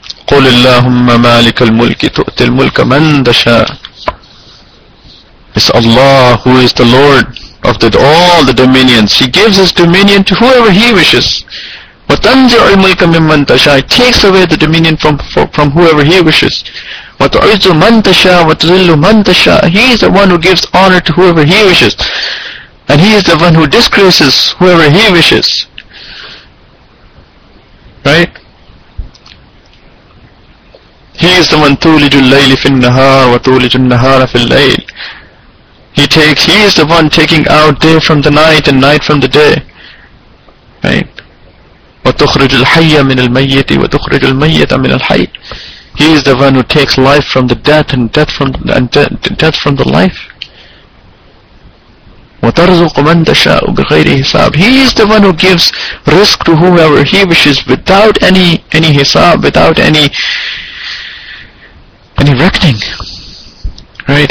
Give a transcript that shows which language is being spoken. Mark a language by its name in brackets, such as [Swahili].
[Arabic] قل اللهم مالك الملك تؤتي الملك من تشاء. [English] It's Allah who is the Lord of all the dominions. He gives His dominion to whoever He wishes. [Arabic] وتنزع الملك ممن تشاء. [English] He takes away the dominion from whoever He wishes. [Arabic] وتعز من تشاء وتذل من تشاء. [English] He is the one who gives honor to whoever He wishes. And He is the one who disgraces whoever He wishes. Right? He is the one [Arabic] تولج الليل في النهار وتولج النهار في الليل. [English] He is the one taking out day from the night and night from the day. Right? [Arabic] وتخرج الحي من الميت وتخرج الميت من الحي. [English] He is the one who takes life from the death and death from the life. [Arabic] وترزق من تشاء بغير حساب. [English] He is the one who gives risk to whoever He wishes without any hisab, without any reckoning, right?